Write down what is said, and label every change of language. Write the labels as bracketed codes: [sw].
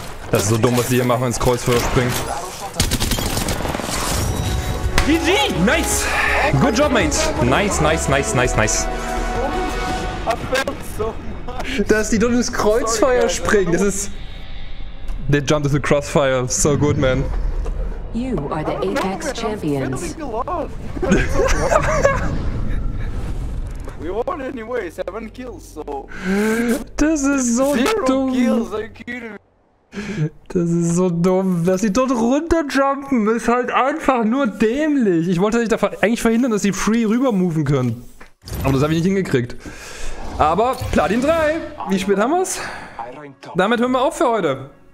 [de] Das ist so dumm, was die hier machen, wenn ins Kreuzfeuer springt. [en] GG! Nice! Good job, mate! Nice! [de] Dass die dumm ins Kreuzfeuer springen, das ist... [en] They jumped into the crossfire, so good, man. You are the Apex Champions. We won anyway, 7 kills, so... [de] Das ist so dumm. [en] Kills, are you kidding me? [de] Das ist so dumm, dass sie dort runterjumpen, ist halt einfach nur dämlich. Ich wollte dich da eigentlich verhindern, dass sie free rübermoven können. Aber das habe ich nicht hingekriegt. Aber Platin 3, wie spät haben wir's? Damit hören wir auf für heute.